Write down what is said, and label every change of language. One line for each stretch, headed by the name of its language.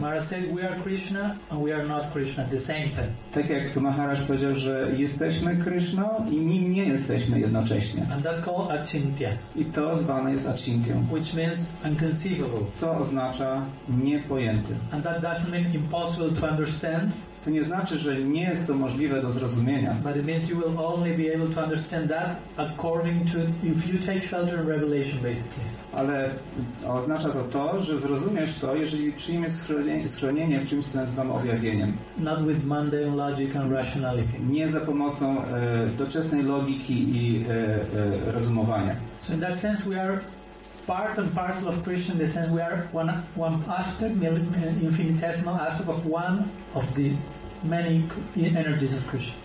English: Maharaj said, we are Krishna and we are not Krishna at the same time.
Polish: Tak jak tu Maharaj powiedział, że jesteśmy Krishna i nim nie jesteśmy jednocześnie.
English: And that's called achintya.
Polish: I to zwane jest achintya.
English: Which means inconceivable.
Polish: Co oznacza niepojęty.
English: And that doesn't mean impossible to understand.
Polish: To nie znaczy, że nie jest to możliwe do zrozumienia.
English: But it means you will only be able to understand that according to if you take shelter in revelation, basically.
Polish: Ale oznacza to, że zrozumiesz to, jeżeli przyjmiesz schronienie w czymś, co nazywam objawieniem.
English: Not with mundane logic and rationality.
Polish: Nie za pomocą doczesnej logiki i rozumowania.
English: So in that sense we are part and parcel of Krishna, in the sense we are one aspect, infinitesimal aspect of one of the many energies of Krishna.